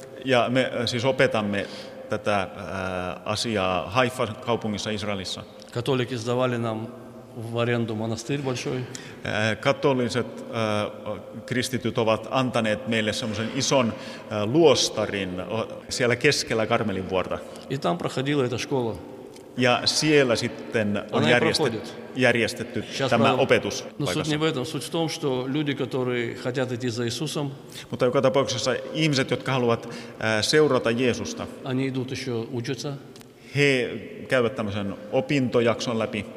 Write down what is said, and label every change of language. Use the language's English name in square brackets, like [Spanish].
[Finnish] Ja me siis opetamme tätä asiaa Haifan kaupungissa Israelissa. Katolikit [Russian] сдавали нам в аренду монастырь большой. [Finnish] Katoliset kristityt ovat antaneet meille semmoisen ison luostarin siellä keskellä Karmelinvuorta. [Russian] И там проходила эта школа. [Finnish] Ja siellä sitten on järjestetty tämä opetus. [Russian] Но суть не в этом. Суть в том, что люди, которые хотят идти за Иисусом, [Finnish] mutta joka tapauksessa ihmiset, jotka haluavat seurata Jeesusta, [Russian] они идут еще учиться. [Finnish] He käyvät tämmöisen opintojakson läpi.